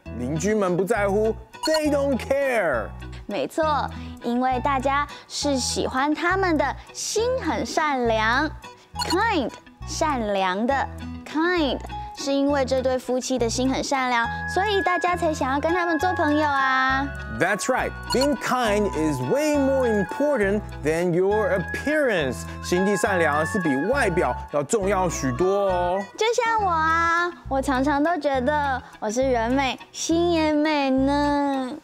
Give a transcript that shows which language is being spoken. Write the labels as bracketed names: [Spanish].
[Chinese] 邻居们不在乎 ， [English] They don't care。 [Chinese] 没错，因为大家是喜欢他们的心很善良 ，kind 善良的 kind， 是因为这对夫妻的心很善良，所以大家才想要跟他们做朋友啊。 [English] That's right. Being kind is way more important than your appearance. [Chinese] 心地善良是比外表要重要许多哦。就像我啊，我常常都觉得我是人美心也美呢。